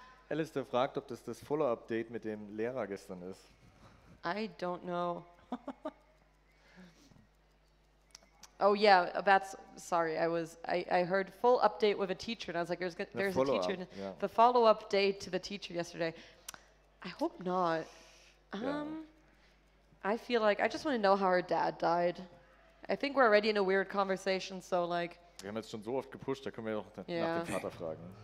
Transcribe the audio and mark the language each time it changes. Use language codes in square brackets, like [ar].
[de] Alistair fragt, ob das Follow-up-Date mit dem Lehrer gestern ist. [en] I don't know. Oh yeah, that's, sorry, I heard full update with a teacher, and I was like, there's a teacher, yeah. The follow-up date to the teacher yesterday. I hope not. I feel like, I just want to know how her dad died. I think we're already in a weird conversation, so like. [de] Wir haben jetzt schon so oft gepusht, da können wir doch nach dem Vater fragen.